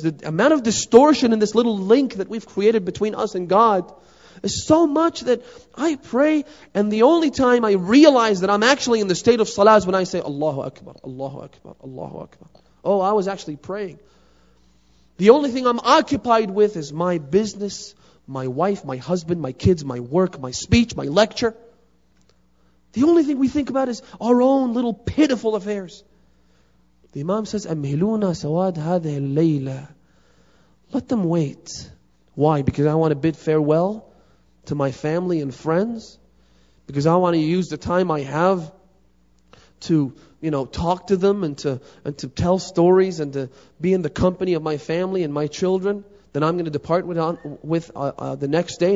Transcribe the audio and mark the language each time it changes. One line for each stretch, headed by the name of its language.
English: The amount of distortion in this little link that we've created between us and God is so much that I pray and the only time I realize that I'm actually in the state of salah is when I say, Allahu Akbar, Allahu Akbar, Allahu Akbar. Oh, I was actually praying. The only thing I'm occupied with is my business, my wife, my husband, my kids, my work, my speech, my lecture. The only thing we think about is our own little pitiful affairs. The Imam says,
Arabic: أَمْهِلُونَا سَوَادْ هَذَا اللَّيْلَى.
English: Let them wait. Why? Because I want to bid farewell to my family and friends? Because I want to use the time I have to, you know, talk to them and to tell stories and to be in the company of my family and my children that I'm going to depart with the next day?